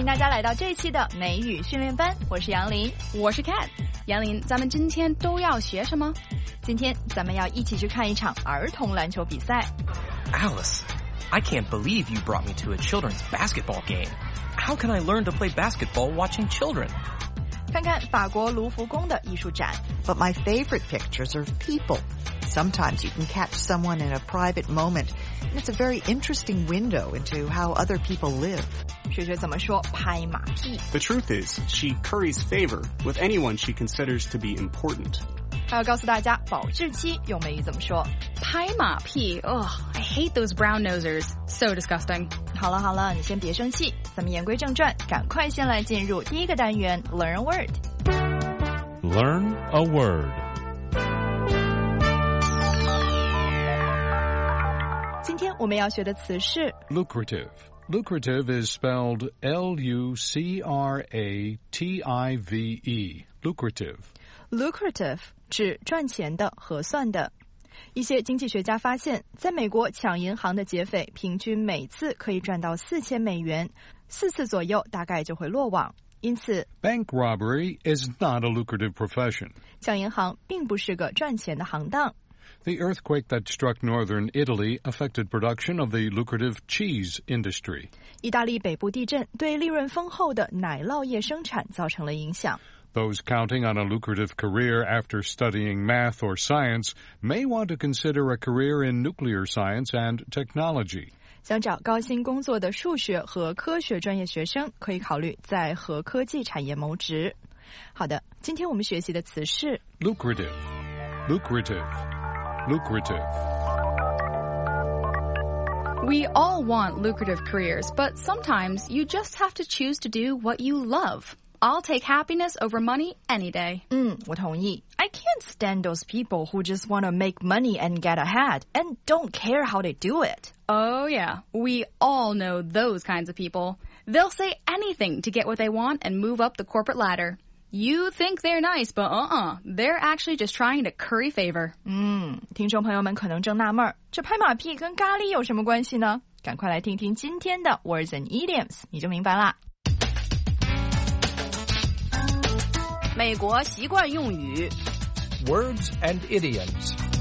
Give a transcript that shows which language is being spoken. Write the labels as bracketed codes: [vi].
[zh] 来到这一期的美语训练班，我是杨林，我是 Cat。杨林，咱们今天都要学什么？今天咱们要一起去看一场儿童篮球比赛。 [en] Alice, I can't believe you brought me to a children's basketball game. How can I learn to play basketball watching children? [zh] 看看法国卢浮宫的艺术展。 [en] But my favorite pictures are people. Sometimes you can catch someone in a private moment, and it's a very interesting window into how other people live. [zh] 学学怎么说拍马屁。 [en] The truth is, she curries favor with anyone she considers to be important. [zh] 还要告诉大家保质期用美语怎么说。 [en] 拍马屁， oh, I hate those brown nosers. So disgusting. [zh] 好了好了，你先别生气。咱们言归正传，赶快先来进入第一个单元 [en] Learn a Word. Learn a Word. [zh] 今天我们要学的词是 [en] lucrative. Lucrative is spelled L-U-C-R-A-T-I-V-E. Lucrative. [zh] Lucrative 指赚钱的、合算的。一些经济学家发现，在美国抢银行的劫匪平均每次可以赚到$4,000，四次左右大概就会落网。因此 [en] ，Bank robbery is not a lucrative profession. [zh] 抢银行并不是个赚钱的行当。 [en] The earthquake that struck northern Italy affected production of the lucrative cheese industry. [zh] 意大利北部地震对利润丰厚的奶酪业生产造成了影响。 [en] Those counting on a lucrative career after studying math or science may want to consider a career in nuclear science and technology. [zh] 想找高薪工作的数学和科学专业学生可以考虑在核科技产业谋职。好的，今天我们学习的词是 [en] lucrative, lucrative. Lucrative. We all want lucrative careers, but sometimes you just have to choose to do what you love. I'll take happiness over money any day. [zh] 我同意。 [en] I can't stand those people who just want to make money and get ahead and don't care how they do it. Oh yeah, we all know those kinds of people. They'll say anything to get what they want and move up the corporate ladder. You think they're nice, but they're actually just trying to curry favor. [zh] 听众朋友们可能正纳闷，这拍马屁跟咖喱有什么关系呢？赶快来听听今天的 Words and Idioms, 你就明白啦。美国习惯用语 [en] Words and Idioms。